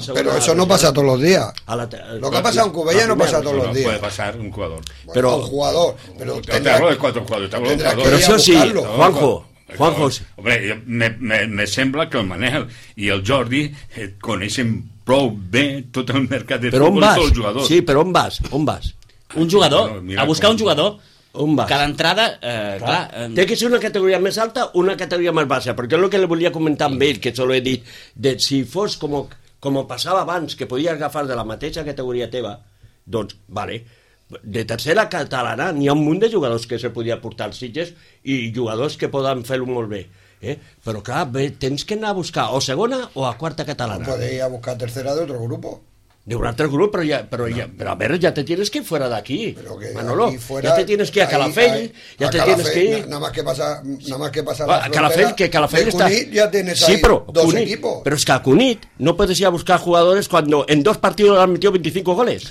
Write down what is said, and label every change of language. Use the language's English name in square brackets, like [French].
[Catalan] Però això no passa tots els dies. El que ha passat a un Cubella no passa tots els dies. No pot passar un jugador. Però un jugador, però tendrà que sí, Juanjo. Hombre, me sembla que el Manel i el Jordi coneixen prou bé tot el mercat de futbol i tots els jugadors. Sí, però on vas? On vas? Un jugador, a buscar un jugador. On vas? Que d'entrada, clar... Té que ser una categoria més alta o una categoria més baixa, perquè és el que li volia comentar amb ell, que això l'he dit, de si fos com... Com passava abans, que podies agafar de la mateixa categoria teva, doncs, vale, de tercera catalana n'hi ha un munt de jugadors que se podia portar als Sitges i jugadors que poden fer-ho molt bé. Però clar, bé, tens que anar a buscar o segona o a quarta catalana. Podes ir a buscar tercera d'altre grup. D'un altre grup, però ja, però, no. Ja, però a veure, ja te tienes que ir fuera d'aquí, Manolo. [Spanish] Fuera, ja te tienes que ir a Calafell, ya te tienes que ir... Nada más que pasa a Calafell, que Calafell está... Cunit ya tienes ahí dos equipos. Però és que a Cunit no puedes ir a buscar jugadores cuando en dos partidos han metido 25 goles.